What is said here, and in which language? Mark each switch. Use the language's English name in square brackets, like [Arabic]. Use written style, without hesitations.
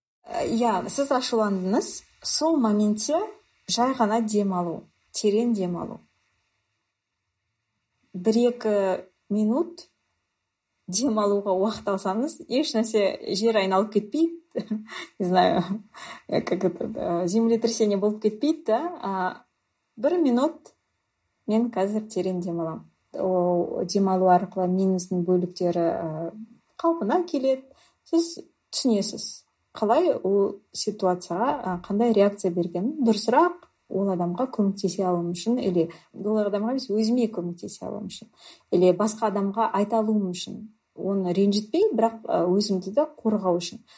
[Kazakh] Сіз ашуландыңыз, сол моментте жай ғана демалу, терең демалу. 1-2 минут демалуға уақыт алсаңыз, еш нәрсе жер айналып кетпейді. [Russian] Не знаю, как это, землетрясение болып кетпейді, да? [Kazakh] 1 минут мен қазір терең демаламын. Демалу арқылы миыңыздың бөліктері қалпына келеді. Сіз түсінесіз, қалай ол ситуацияға қандай реакция берген дұрысырақ ол адамға көмектесе алу үшін, или ол адамға емес, өзіме көмектесе алу үшін, или басқа адамға айта алуым үшін, оны ренжітпей, бірақ өзімді де қорғау үшін.